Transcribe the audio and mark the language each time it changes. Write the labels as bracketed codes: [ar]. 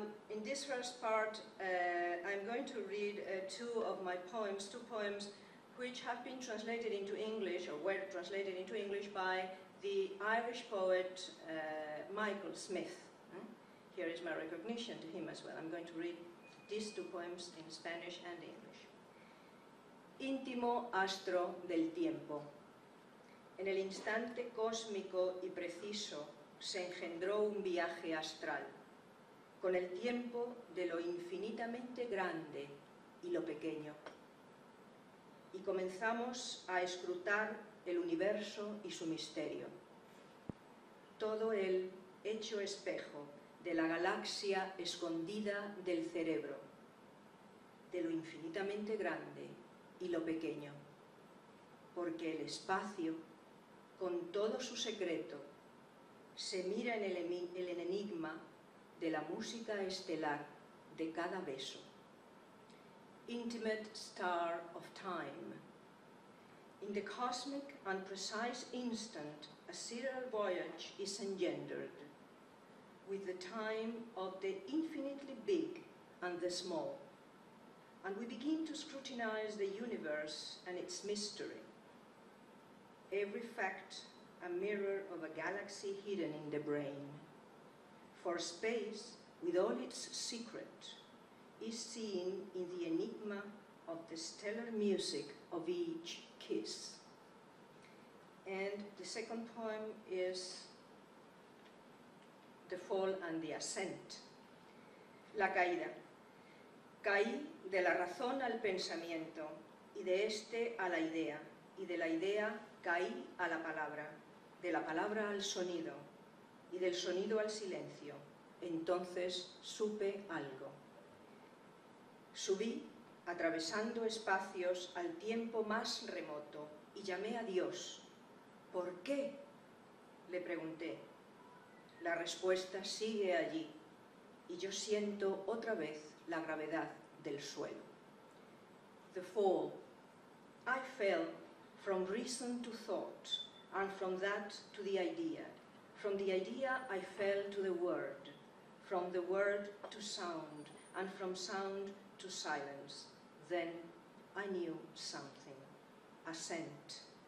[en] In this first part, I'm going to read two poems, which have been translated into English, or were translated into English, by the Irish poet Michael Smith. Here is my recognition to him as well. I'm going to read these two poems in Spanish and English. [es] Íntimo astro del tiempo. En el instante cósmico y preciso se engendró un viaje astral, con el tiempo de lo infinitamente grande y lo pequeño. Y comenzamos a escrutar el universo y su misterio. Todo él hecho espejo de la galaxia escondida del cerebro, de lo infinitamente grande y lo pequeño. porque el espacio, con todo su secreto, se mira en el enigma de la música estelar de cada beso. [en] Intimate star of time. In the cosmic and precise instant, a sidereal voyage is engendered with the time of the infinitely big and the small. And we begin to scrutinize the universe and its mystery. Every fact, a mirror of a galaxy hidden in the brain. For space, with all its secret, is seen in the enigma of the stellar music of each kiss. And the second poem is The Fall and the Ascent. [es] La caída. Caí de la razón al pensamiento, y de este a la idea, y de la idea caí a la palabra, de la palabra al sonido, y del sonido al silencio. Entonces supe algo. Subí, atravesando espacios, al tiempo más remoto, y llamé a Dios. ¿Por qué? Le pregunté. La respuesta sigue allí, y yo siento otra vez la gravedad del suelo. [en] The fall. I fell from reason to thought, and from that to the idea. From the idea I fell to the word, from the word to sound, and from sound to silence. Then I knew something. Ascent.